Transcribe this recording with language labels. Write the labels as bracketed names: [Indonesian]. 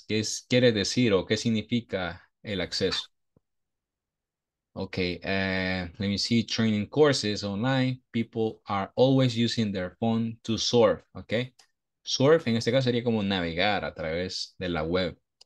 [Spanish] ¿Qué es, quiere decir o qué significa el acceso? [English] Okay, let me see. Training courses online. People are always using their phone to surf. [Spanish] Okay, surf en este caso sería como navegar a través de la web.